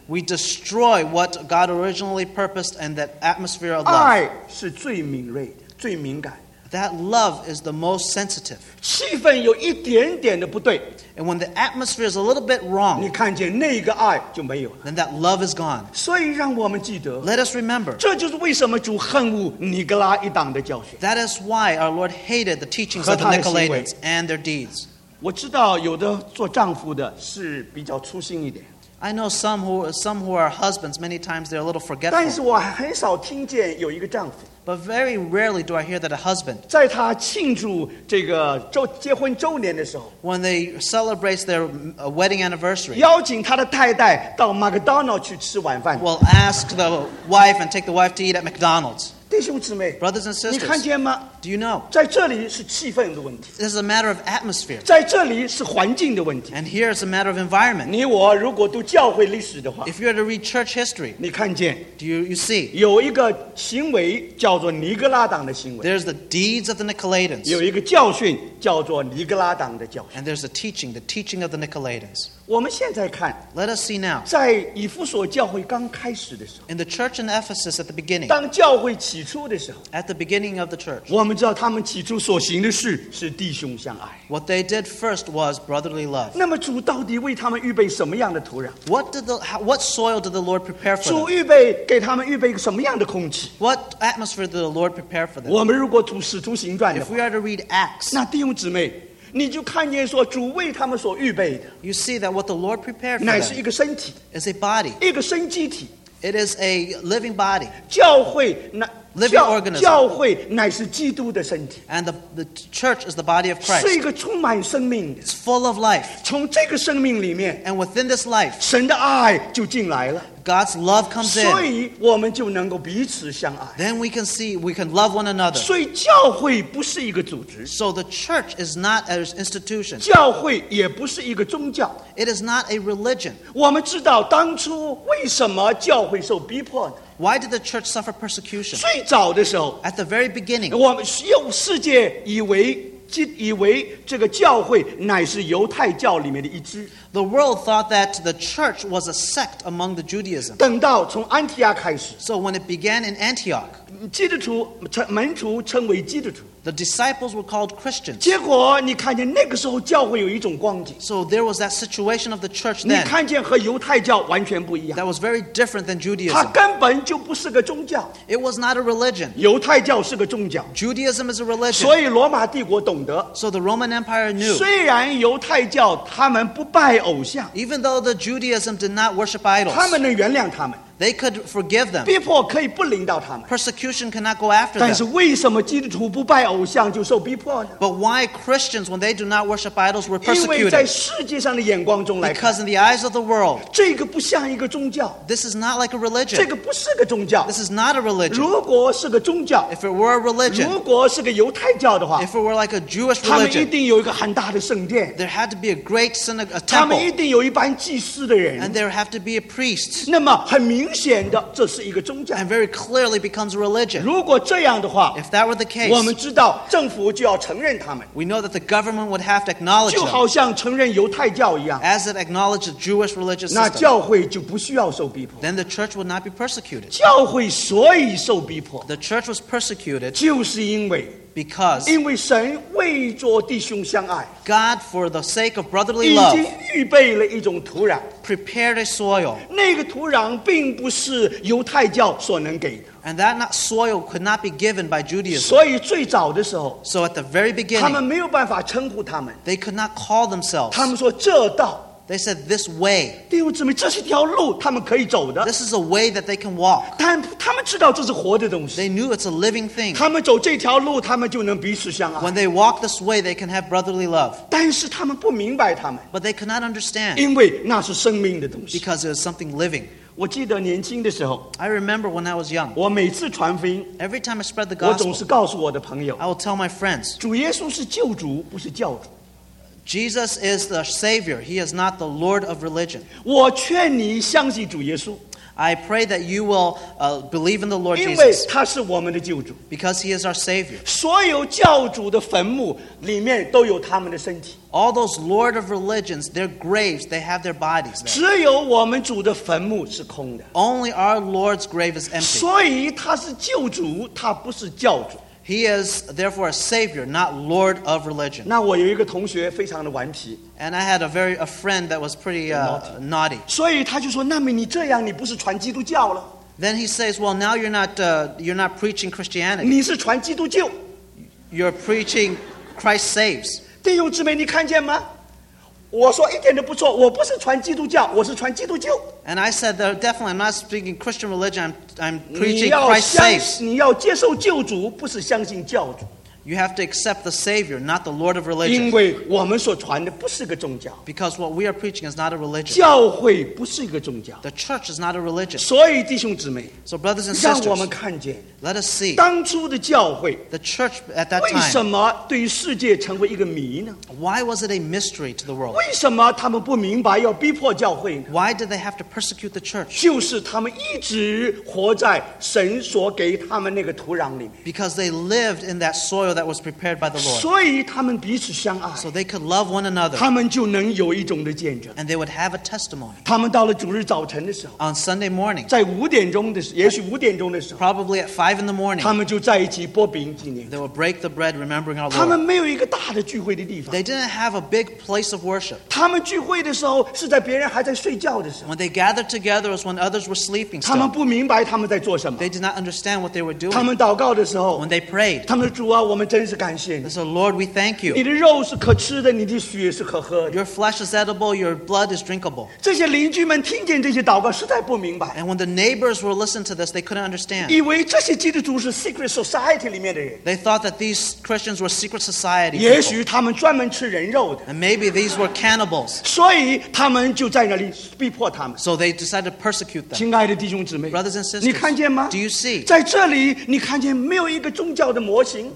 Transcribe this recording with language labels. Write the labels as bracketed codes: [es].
[en] We destroy what God originally purposed and that atmosphere of love. [zh] 爱是最敏锐的,最敏感。 [en] That love is the most sensitive. [zh] 气氛有一点点的不对, [en] and when the atmosphere is a little bit wrong, [zh] 你看见那个爱就没有了, [en] then that love is gone. [zh] 所以让我们记得, [en] let us remember, [zh] 这就是为什么主恨恶尼格拉一党的教训。 [en] That is why our Lord hated the teachings of the Nicolaitans and their deeds. [zh] 我知道有的做丈夫的是比较粗心一点。 [en] I know some who are husbands, many times they're a little forgetful. [zh] 但是我很少听见有一个丈夫, [en] but very rarely do I hear that a husband, [zh] 在他庆祝这个结婚周年的时候, [en] when they celebrate their wedding anniversary, [zh] 邀请他的太太到麦当劳去吃晚饭, [en] will ask the wife and take the wife to eat at McDonald's. [zh] 弟兄姊妹, [en] brothers and sisters, [zh] 你看见吗? [en] Do you know? [zh] 在这里是气氛的问题。 [en] This is a matter of atmosphere. [zh] 在这里是环境的问题。 [en] And here is a matter of environment. [zh] 你我如果读教会历史的话, [en] if you were to read church history, [zh] 你看见, [en] do you see? [zh] 有一个行为叫做尼格拉党的行为。 [en] There's the deeds of the Nicolaitans. [zh] 有一个教训叫做尼格拉党的教训。 [en] And there's the teaching of the Nicolaitans. [zh] 我们现在看 [en] Let us see now [zh] 在以弗所教会刚开始的时候 [en] In the church in Ephesus at the beginning [zh] 当教会起初的时候 [en] At the beginning of the church [zh] 我们知道他们起初所行的事是弟兄相爱 [en] What they did first was brotherly love [zh] 那么主到底为他们预备什么样的土壤 [en] What soil did the Lord prepare for them [zh] 主预备给他们预备什么样的空气 [en] What atmosphere did the Lord prepare for them [zh] 我们如果读使徒行传的话 [en] If we are to read Acts [zh] 那弟兄姊妹你就看见说主为他们所预备的 [en] You see that what the Lord prepared for them [zh] 乃是一个身体 [en] Is a body [zh] 一个生机体 [en] It is a living body [zh] 教会 [en] Living organism [zh] 教会乃是基督的身体 [en] And the church is the body of Christ [zh] 是一个充满生命的 [en] It's full of life [zh] 从这个生命里面 [en] And within this life [zh] 神的爱就进来了 [en] God's love comes in. [zh] 所以我们就能够彼此相爱。 [en] Then we can see we can love one another. [zh] 所以教会不是一个组织。 [en] So the church is not an institution. [zh] 教会也不是一个宗教。 [en] It is not a religion. [zh] 我们知道当初为什么教会受逼迫呢？ [en] Why did the church suffer persecution? [zh] 最早的时候。 [en] At the very beginning. [zh] 我们世界以为这个教会乃是犹太教里面的一支。 [en] The world thought that the church was a sect among the Judaism. [zh] 等到从安提阿开始。 [en] So when it began in Antioch, [zh] 基督徒门徒称为基督徒。 [en] The disciples were called Christians. [zh] 结果你看见那个时候教会有一种光景。 [en] So there was that situation of the church then. [zh] 你看见和犹太教完全不一样。 [en] That was very different than Judaism. [zh] 它根本就不是个宗教。 [en] It was not a religion. [zh] 犹太教是个宗教。 [en] Judaism is a religion. [zh] 所以罗马帝国懂得。 [en] So the Roman Empire knew. [zh] 虽然犹太教他们不拜偶像。 [en] Even though the Judaism did not worship idols. [zh] 他们能原谅他们。 [en] They could forgive them. [zh] 逼迫可以不领导他们。 [en] Persecution cannot go after [zh] them. 但是为什么基督徒不拜偶像就受逼迫呢？ [en] But why Christians, when they do not worship idols, were persecuted? [zh] 因为在世界上的眼光中来看。 [en] Because in the eyes of the world. [zh] 这个不像一个宗教。 [en] This is not like a religion. [zh] 这个不是个宗教。 [en] This is not a religion. [zh] 如果是个宗教。 [en] If it were a religion. [zh] 如果是个犹太教的话。 [en] If it were like a Jewish religion. [zh] 他们一定有一个很大的圣殿。 [en] There had to be a great synagogue, a temple. [zh] 他们一定有一班祭司的人。 [en] And there have to be a priest. [zh] 那么很明明显的，这是一个宗教。 [en] And very clearly becomes a religion. [zh] 如果这样的话 [en] If that were the case, [zh] 我们知道政府就要承认他们。 [en] We know that the government would have to acknowledge them. [zh] 就好像承认犹太教一样。 [en] As it acknowledged the Jewish religious [zh] system. 那教会就不需要受逼迫。 [en] Then the church would not be persecuted. [zh] 教会所以受逼迫。 [en] The church was persecuted. [zh] 就是因为。 [en] Because [zh] 因为神为着弟兄相爱 [en] God for the sake of brotherly love [zh] 已经预备了一种土壤 [en] prepared a soil [zh] 那个土壤并不是犹太教所能给的 [en] and that soil could not be given by Judaism [zh] 所以最早的时候 [en] so at the very beginning [zh] 他们没有办法称呼他们 [en] they could not call themselves [zh] 他们说这道 [en] they said this way [zh] 弟兄姊妹这是条路他们可以走的 [en] this is a way that they can walk [zh] 但他们知道这是活的东西 [en] They knew it's a living thing [zh] 他们走这条路他们就能彼此相爱 [en] When they walk this way they can have brotherly love [zh] 但是他们不明白他们 [en] But they could not understand [zh] 因为那是生命的东西 [en] Because it was something living [zh] 我记得年轻的时候 [en] I remember when I was young [zh] 我每次传福音 [en] Every time I spread the gospel [zh] 我总是告诉我的朋友 [en] I will tell my friends [zh] 主耶稣是救主不是教主 [en] Jesus is the Savior He is not the Lord of religion [zh] 我劝你相信主耶稣 [en] I pray that you will believe in the Lord Jesus. [zh] 因为他是我们的救主。 [en] Because he is our Savior. [zh] 所有教主的坟墓里面都有他们的身体。 [en] All those Lord of religions, their graves, they have their bodies. [zh] 只有我们主的坟墓是空的。 [en] Only our Lord's grave is empty. [zh] 所以他是救主，他不是教主。 [en] He is therefore a savior, not lord of religion. [zh] 那我有一个同学非常的顽皮。 [en] And I had a friend that was pretty naughty. [zh] 所以他就说，那么你这样，你不是传基督教了。 [en] Then he says, well, now you're not preaching Christianity. [zh] 你是传基督救。 [en] You're preaching Christ saves. [zh] 弟兄姊妹，你看见吗？我说一点都不错，我不是传基督教，我是传基督救。 [en] And I said that definitely I'm not speaking Christian religion, I'm preaching [zh] 你要相信, [en] Christ saves. [zh] 你要接受救主，不是相信教主。 [en] You have to accept the Savior, not the Lord of religion. [zh] 因为我们所传的不是个宗教。 [en] Because what we are preaching is not a religion. [zh] 教会不是一个宗教。 [en] The church is not a religion. [zh] 所以弟兄姊妹 [en] So brothers and sisters, [zh] 让我们看见 [en] Let us see. [zh] 当初的教会 [en] The church at that time. [zh] 为什么对于世界成为一个谜呢 [en] Why was it a mystery to the world? [zh] 为什么他们不明白要逼迫教会呢 [en] Why did they have to persecute the church? [zh] 就是他们一直活在神所给他们那个土壤里面。 [en] Because they lived in that soil that was prepared by the Lord. [zh] 所以他们彼此相爱, [en] so they could love one another. [zh] 他们就能有一种的见证, [en] and they would have a testimony. [zh] 他们到了主日早晨的时候, [en] on Sunday morning, [zh] 在五点钟的时候, 也许五点钟的时候, [en] probably at 5 in the morning, [zh] 他们就在一起擘饼纪念, [en] they would break the bread remembering our Lord. [zh] 他们没有一个大的聚会的地方, [en] they didn't have a big place of worship. [zh] 他们聚会的时候是在别人还在睡觉的时候, [en] when they gathered together was when others were sleeping still. [zh] 他们不明白他们在做什么, [en] they did not understand what they were doing. [zh] 他们祷告的时候, [en] when they prayed, [zh] 他们主啊, 我们真是感谢你, [en] they said, Lord, we thank you. [zh] 你的肉是可吃的, 你的血是可喝的, [en] your flesh is edible, your blood is drinkable. [zh] 这些邻居们听见这些祷告, 实在不明白, [en] and when the neighbors were listening to this, they couldn't understand. [zh] 以为这些基督徒是 [en] secret society [zh] 里面的人, [en] they thought that these Christians were secret society. [zh] 也许他们专门吃人肉的, [en] and maybe these were cannibals. [zh] 所以他们就在那里逼迫他们, [en] so they decided to persecute them. [zh] 亲爱的弟兄姊妹, [en] brothers and sisters, [zh] 你看见吗? [en] Do you see? [zh] 在这里, 你看见没有一个宗教的模型?